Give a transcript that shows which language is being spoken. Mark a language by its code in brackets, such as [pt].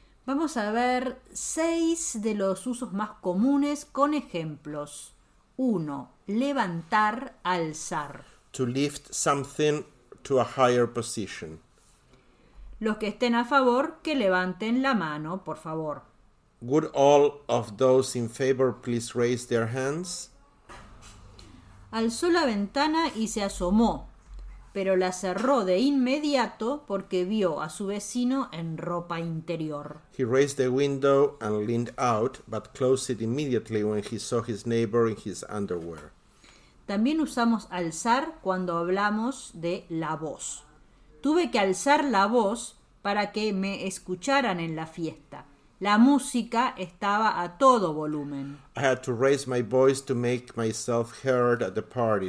[es] Vamos a ver seis de los usos más comunes con ejemplos. Uno, levantar, alzar. [en] To lift something to a higher position. [es] Los que estén a favor, que levanten la mano, por favor. [en] Would all of those in favor please raise their hands? [es] Alzó la ventana y se asomó, pero la cerró de inmediato porque vio a su vecino en ropa interior. [en] He raised the window and leaned out, but closed it immediately when he saw his neighbor in his underwear. [es] También usamos alzar cuando hablamos de la voz. Tuve que alzar la voz para que me escucharan en la fiesta. La música estaba a todo volumen. [en] I had to raise my voice to make myself heard at the party.